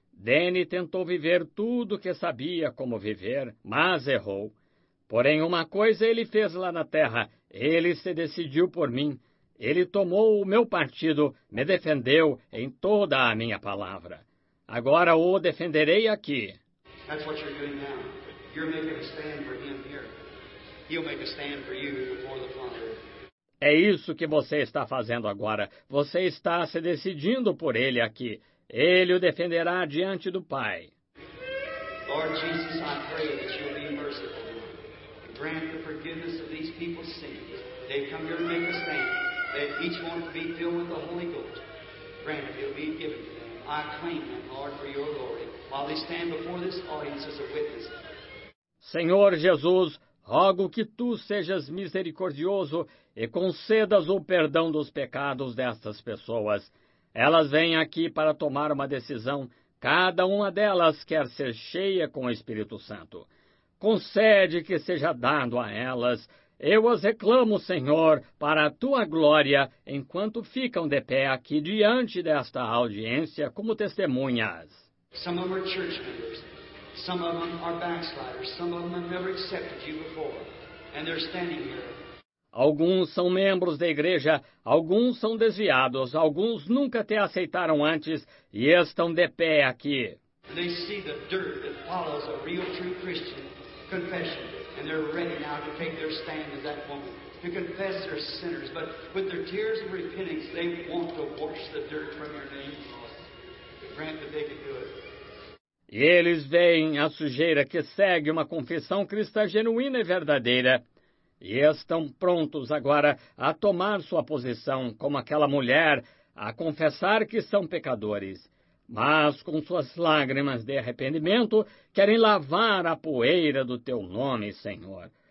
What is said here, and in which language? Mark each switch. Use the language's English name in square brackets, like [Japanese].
[Portuguese] Danny tentou viver tudo que sabia como viver, mas errou. Porém, uma coisa ele fez lá na terra. Ele se decidiu por mim. Ele tomou o meu partido, me defendeu em toda a minha palavra. Agora o defenderei aqui. [English] That's what you're doing now. You're making a stand for him here. He'll make a stand for you before the Father. [Portuguese] É isso que você está fazendo agora. Você está se decidindo por ele aqui. Ele o defenderá diante do Pai. [English] Lord Jesus, I pray that you'll be merciful. Grant the forgiveness of these people's sins. They come here to make a stand. That each one to be filled with the Holy Ghost. Grant it, it'll be given to them. I claim them, Lord, for your glory. While they stand before this audience as a witness. [Portuguese] Senhor Jesus, rogo que tu sejas misericordioso e concedas o perdão dos pecados destas pessoas. Elas vêm aqui para tomar uma decisão. Cada uma delas quer ser cheia com o Espírito Santo. Concede que seja dado a elas. Eu as reclamo, Senhor, para a tua glória, enquanto ficam de pé aqui diante desta audiência como testemunhas. [English] Some of our church members. Some of them are backsliders. Some of them have never accepted you before. And they're standing here. [Portuguese] Alguns são membros da igreja, alguns são desviados, alguns nunca te aceitaram antes e estão de pé aqui. [English] And they see the dirt that follows a real true Christian confession. And they're ready now to take their stand as that woman, to confess their sinners. But with their tears of repentance, they want to wash the dirt from your name, Lord. Grant that they can do it. [Portuguese] E eles veem a sujeira que segue uma confissão cristã genuína e verdadeira. E estão prontos agora a tomar sua posição como aquela mulher, a confessar que são pecadores. Mas com suas lágrimas de arrependimento, querem lavar a poeira do teu nome, Senhor.